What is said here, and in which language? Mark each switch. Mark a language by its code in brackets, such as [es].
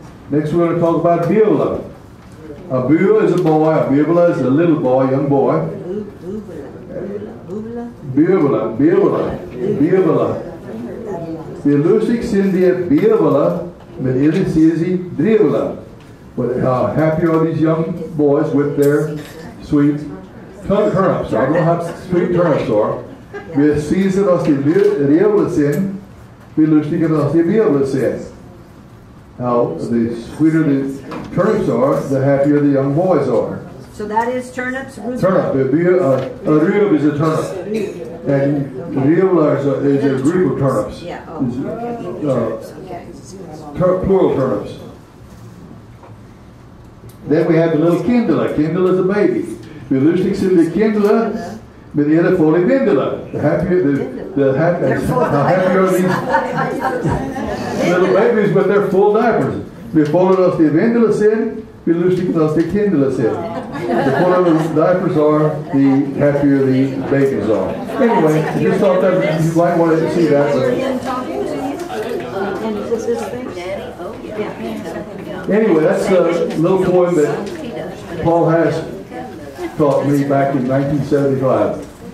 [en] Next we're going to talk about Biola. A Biola is a boy, a Biola is a little boy, young boy. Biola, Biola, Biola. [de] Wir lustig sind die Biola, mit ihren süßen Driola. [en] But how happy are these young boys with their sweet turnips? I don't know how sweet turnips are. [de] Wir süßen aus die Driola sind, wir lustig aus die Biola sind. [en] How the sweeter the turnips are, the happier the young boys are. So that is turnips? A rib is a turnip. And riebla is a group of turnips. Yeah, oh. Plural turnips. Then we have the little kindle. A kindle is a baby. [de] Wir lustig sind die Kinder, mit ihren vollen Windeln. [en] The happier, the happier these little babies, but they're full diapers. [de] Wir vollen aus die Windeln sind, wir lustig aus die Kinder sind. [en] The fuller the diapers are, the happier the babies are. Anyway, I just thought that you might want to see that. Talking to you? And is this thing? Yeah. Anyway, that's the little poem that Paul has taught me back in 1975.